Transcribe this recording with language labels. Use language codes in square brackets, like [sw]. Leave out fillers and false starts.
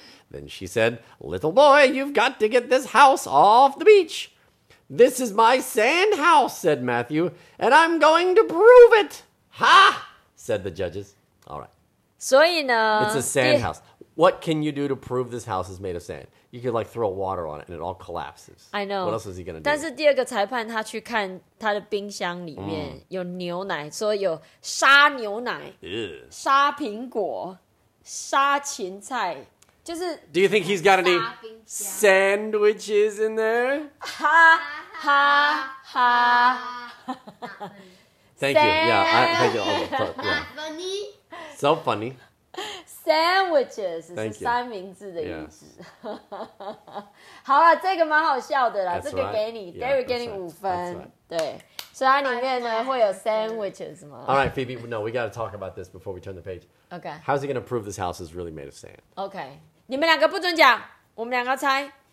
[en] Then she said, Little boy, you've got to get this house off the beach. This is my sand house, said Matthew, and I'm going to prove it. Ha! Said the judges. All right. So, you know, it's a sand house. What can you do to prove this house is made of sand? You could, like, throw water on it, and it all collapses. I know. What else is he going to do? [zh] 但是第二个裁判他去看他的冰箱里面有牛奶，所以有沙牛奶、沙苹果、沙芹菜，就是。 [en] Do you think he's got any sandwiches in there? Ha, ha, ha. Thank you. Yeah, I thank you. All the fun, yeah. Funny. So funny. [zh] Sandwiches 是三明治的意思。好啊，这个蛮好笑的啦， [en] that's、 [zh] 这个给你 [en] right. ，Derek yeah, [zh] 给你五分。 [en] Right. [zh] 对，所以它里面呢会有 sandwiches 吗 [en] ？All right, Phoebe. No, we got to talk about this before we turn the page. Okay. How's he going to prove this house is really made of sand? Okay. [zh] 你们两个不准讲，我们两个猜。